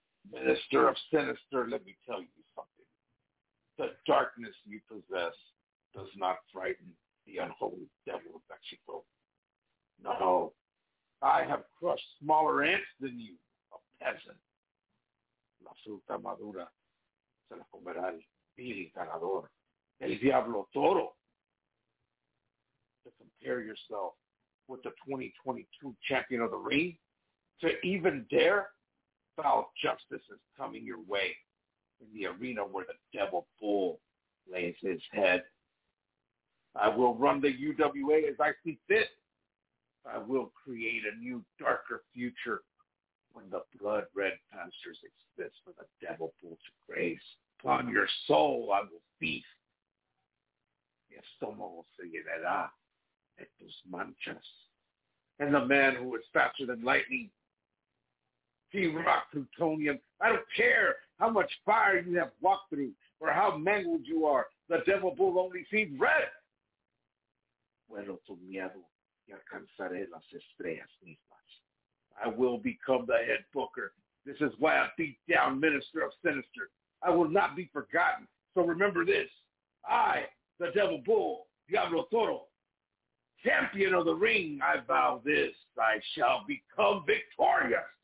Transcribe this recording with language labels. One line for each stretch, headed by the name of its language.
English: Minister of sinister, let me tell you something. The darkness you possess does not frighten the unholy devil of Mexico. No, I have crushed smaller ants than you, a peasant.
Spanish: La fruta madura se la comerá el vil ganador, el diablo toro.
English: To compare yourself with the 2022 champion of the ring, to even dare, foul justice is coming your way in the arena where the devil bull lays his head. I will run the UWA as I see fit. I will create a new, darker future when the blood-red pastures exist for the devil bull to graze. Upon your soul, I will feast.
Spanish: Mi estómago se llenará de tus manchas.
English: And the man who is faster than lightning, T-Rock Plutonium, I don't care how much fire you have walked through or how mangled you are. The devil bull only sees red.
Spanish: Vuelo tu miedo y alcanzaré las estrellas mismas.
English: I will become the head booker. This is why I beat down Minister of Sinister. I will not be forgotten. So remember this. I, the devil bull, Diablo Toro, champion of the ring, I vow this. I shall become victorious.